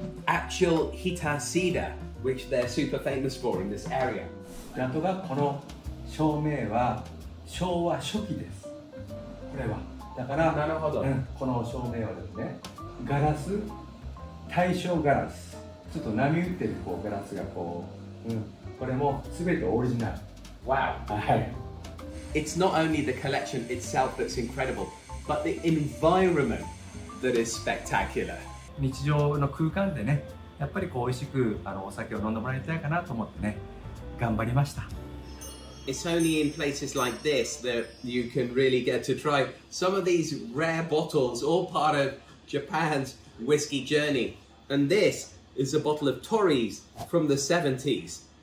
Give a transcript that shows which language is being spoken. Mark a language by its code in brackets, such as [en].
[en] actual Hita cedar, which they're super famous for in this area. [ja] あとがこの照明は昭和初期です。これはだからこの照明はですね ガラス、対象ガラス。ちょっと波打ってるこうガラスがこう、これも全てオリジナル。Wow! [en] It's not only the collection itself that's incredible, but the environment that is spectacular. [ja] 日常の空間でね、やっぱりこう美味しくお酒を飲んでもらいたいかなと思ってね、頑張りました。It's [en] only in places like this that you can really get to try some of these rare bottles, all part of Japan's whiskey journey. And this is a bottle of Torii's from the 70s.